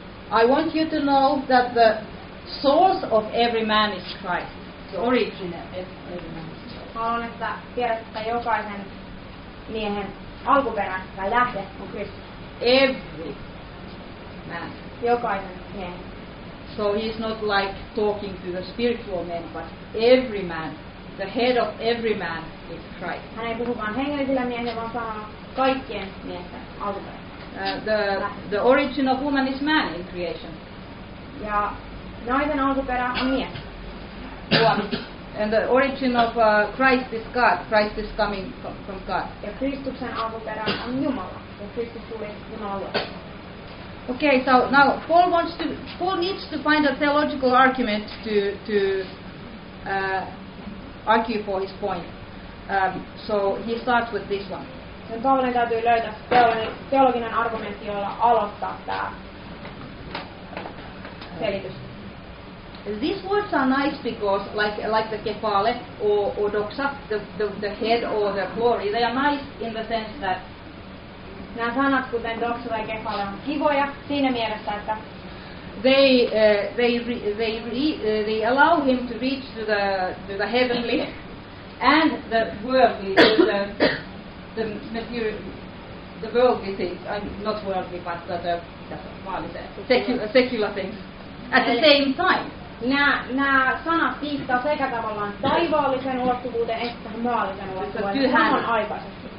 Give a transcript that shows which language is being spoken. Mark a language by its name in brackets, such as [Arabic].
[English] I want you to know that the source of every man is Christ. The origin of every man is Christ. [Finnish] Haluan, että tiedät, että jokaisen miehen alkuperä tai lähde on Kristus. [English] Every man. [Finnish] Jokaisen miehen. [English] So he's not like talking to the spiritual men, but every man. The head of every man is Christ. [Finnish] Hän ei puhu vaan hengellisillä miehillä, vaan sanoo kaikkien miehistä alkuperäinen. [English] The origin of woman is man in creation. [Finnish] Ja naisen alkuperä on mies. [English] And the origin of Christ is God. Christ is coming from God. [Finnish] Ja Kristuksen alkuperä on Jumala. Ja Kristus tuli Jumalalle. [English] Okay, so now Paul needs to find a theological argument to argue for his point. So he starts with this one. [Finnish] Sen Paavalin täytyy löytää teologinen argumentti, jolla aloittaa tämä selitys. [English] These words are nice because like the kefale or doxa, the head or the glory, they are nice in the sense that [Finnish] nämä sanat, kuten doxa tai kefale, on kivoja siinä mielessä, että [English] They allow him to reach to the heavenly and the worldly, the worldly things, not worldly but the secular things at the same time. [Finnish] Nämä sanat viittaa sekä tavallaan taivaallisen ulottuvuuteen että maallisen ulottuvuuteen samanaikaisesti.